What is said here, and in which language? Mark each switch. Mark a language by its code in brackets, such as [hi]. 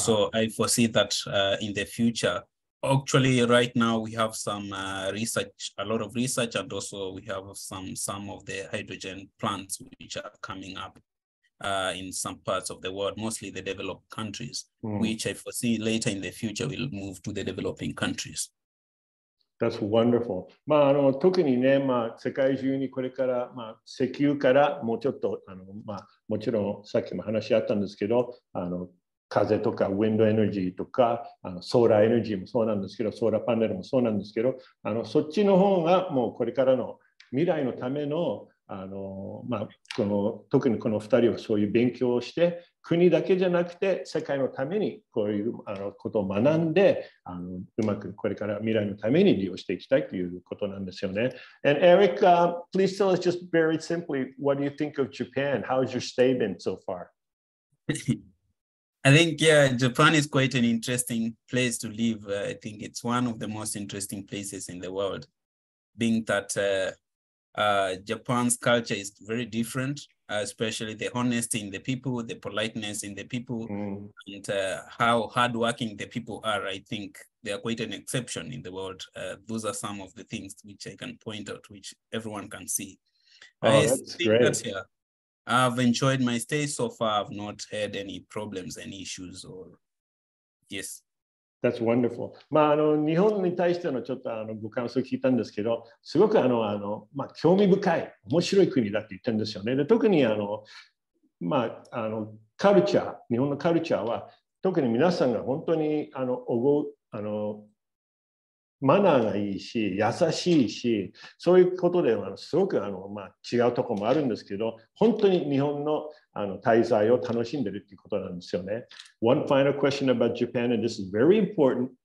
[en] So I foresee that in the future, actually right now we have some research, a lot of research, and also we have some of the hydrogen plants which are coming up. in some parts of the world, mostly the developed countries, which I foresee later in the future will move to the developing countries. That's wonderful. [ja] まあ、あの、特にね、まあ、世界中にこれから、まあ、石油からもうちょっと、あの、まあ、もちろんさっきも話あったんですけど、あの、風とかウィンドエネルギーとか、あの、ソーラーエネルギーもそうなんですけど、ソーラーパネルもそうなんですけど、あの、そっちの方がもうこれからの未来のためのあのまあ、この特にこの2人はそういう勉強をして国だけじゃなくて世界のためにこういうあのことを学んであのうまくこれから未来のために利用していきたいということなんですよね。 [en] And Eric,、please tell us just very simply, what do you think of Japan? How has your stay been so far? I think, yeah, Japan is quite an interesting place to live. I think it's one of the most interesting places in the world, being that Japan's culture is very different, especially the honesty in the people, the politeness in the people, and how hardworking the people are. I think they are quite an exception in the world. Those are some of the things which I can point out, which everyone can see. Oh, that's great. I've enjoyed my stay so far. I've not had any problems, any issues, or yes. That's wonderful. [ja] まあ、あの日本に対してのちょっとあのご感想を聞いたんですけど、すごくあのあの、まあ、興味深い、面白い国だって言ってるんですよね。で特にあの、まあ、あのカルチャー、日本のカルチャーは、特に皆さんが本当にあのおごあのマナーがいいし、優しいし、そういうことではすごくあの、まあ、違うところもあるんですけど、本当に日本の、あの、滞在を楽しんでるっていうことなんですよね。 [en] One final question about Japan, and this is very important.